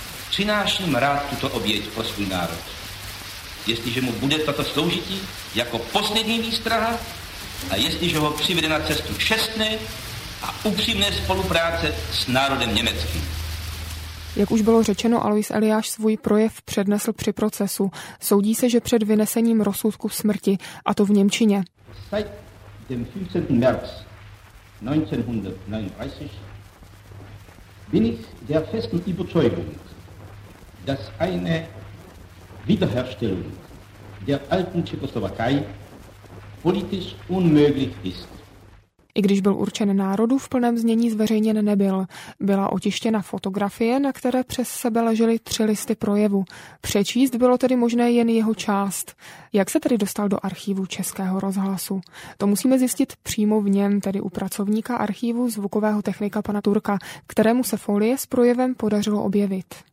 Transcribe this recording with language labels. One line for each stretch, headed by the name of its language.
Czech: Přináším rád tuto oběť pro svůj národ, jestliže mu bude tato sloužití jako poslední výstraha a jestliže ho přivede na cestu čestné a upřímné spolupráce s národem německým. Jak už bylo řečeno, Alois Eliáš svůj projev přednesl při procesu. Soudí se, že před vynesením rozsudku smrti, a to v němčině.
German: Seit dem 15. März 1939 bin ich der festen Überzeugung, dass eine Wiederherstellung der alten Tschechoslowakei politisch unmöglich ist.
Czech: I když byl určen národu, v plném znění zveřejněn nebyl. Byla otištěna fotografie, na které přes sebe ležely tři listy projevu. Přečíst bylo tedy možné jen jeho část. Jak se tedy dostal do archivu Českého rozhlasu? To musíme zjistit přímo v něm, tedy u pracovníka archivu zvukového technika pana Turka, kterému se folie s projevem podařilo objevit.